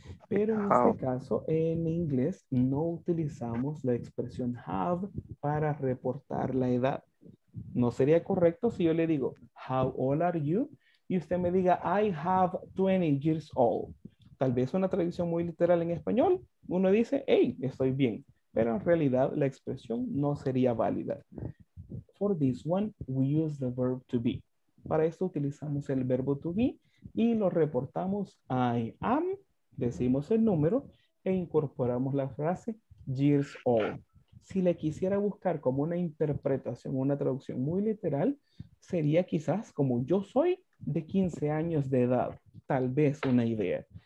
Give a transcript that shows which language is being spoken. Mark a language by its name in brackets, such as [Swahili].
[Spanish] Pero en este caso, en inglés, no utilizamos la expresión have para reportar la edad. No sería correcto si yo le digo, [English] how old are you? [Spanish] Y usted me diga, [English] I have 20 years old. [Spanish] Tal vez una traducción muy literal en español, uno dice, hey, estoy bien. Pero en realidad, la expresión no sería válida. [English] For this one, we use the verb to be. [Spanish] Para esto utilizamos el verbo to be y lo reportamos I am, decimos el número e incorporamos la frase years old. Si le quisiera buscar como una interpretación, una traducción muy literal, sería quizás como yo soy de 15 años de edad, tal vez una idea.